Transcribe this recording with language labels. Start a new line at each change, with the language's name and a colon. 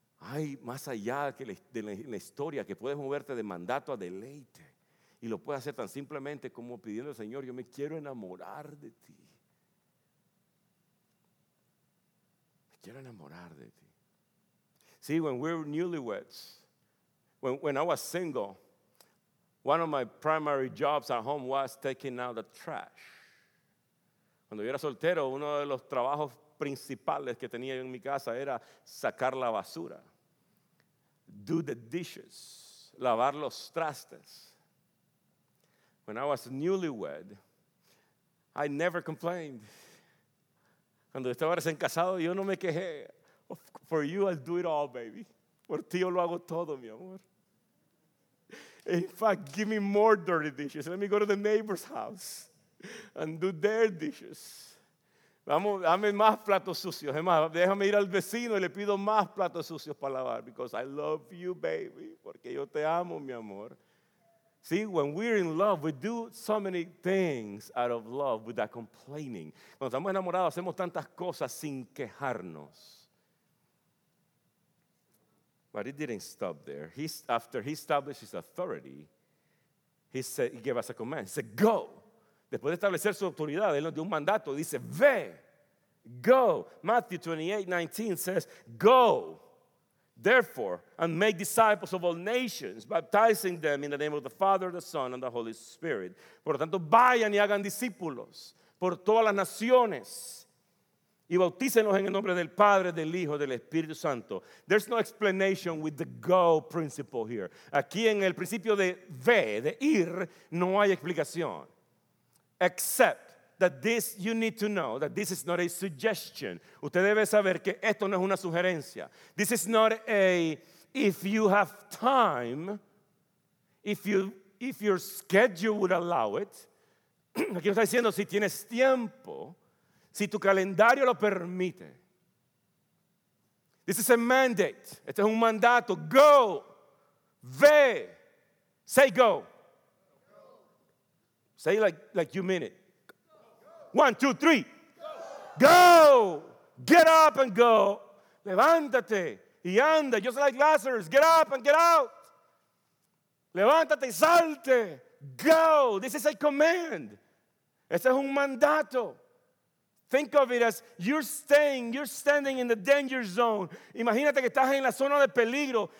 Spanish: Hay más allá de la historia que puedes moverte de mandato a deleite. Y lo puedes hacer tan simplemente como pidiendo al Señor, yo me quiero enamorar de ti. Me quiero enamorar de ti.
English: See, when we're newlyweds, when I was single, one of my primary jobs at home was taking out the trash.
Spanish: Cuando yo era soltero, uno de los trabajos principales que tenía yo en mi casa era sacar la basura.
English: Do the dishes. Lavar los trastes. When I was newlywed, I never complained.
Spanish: Cuando estaba recién casado, yo no me quejé. For you, I'll do it all, baby. Por ti, yo lo hago todo, mi amor.
English: In fact, give me more dirty dishes. Let me go to the neighbor's house and do their dishes.
Spanish: Vamos, dame más platos sucios. Es más, déjame ir al vecino y le pido más platos sucios para lavar. Because I love you, baby. Porque yo te amo, mi amor.
English: See, when we're in love, we do so many things out of love without complaining.
Spanish: Cuando estamos enamorados, hacemos tantas cosas sin quejarnos.
English: But it didn't stop there. After he established his authority, he gave us a command. He said, go.
Spanish: Después de establecer su autoridad, él nos dio un mandato.
English: Dice, ve. Go. Matthew 28:19 says, go. Therefore, and make disciples of all nations, baptizing them in the name of the Father, the Son, and the Holy Spirit.
Spanish: Por lo tanto, vayan y hagan discípulos por todas las naciones. Y bautícenos en el nombre del Padre, del Hijo, del Espíritu Santo.
English: There's no explanation with the go principle here.
Spanish: Aquí en el principio de ve, de ir, no hay explicación. Except
English: that this, you need to know that this is not a suggestion.
Spanish: Usted debe saber que esto no es una sugerencia.
English: This is not a, if you have time, if your schedule would allow it.
Spanish: Aquí nos está diciendo, si tienes tiempo, si tu calendario lo permite.
English: This is a mandate. Este es un mandato. Go. Ve. Say go. Say like you mean it. One, two, three. Go. Go. Get up and go. Levántate y anda. Just like Lazarus. Get up and get out. Levántate y salte. Go. This is a command. Este es un mandato. Think of it as you're standing in the danger zone.
Spanish: Imagínate que estás en la zona de peligro.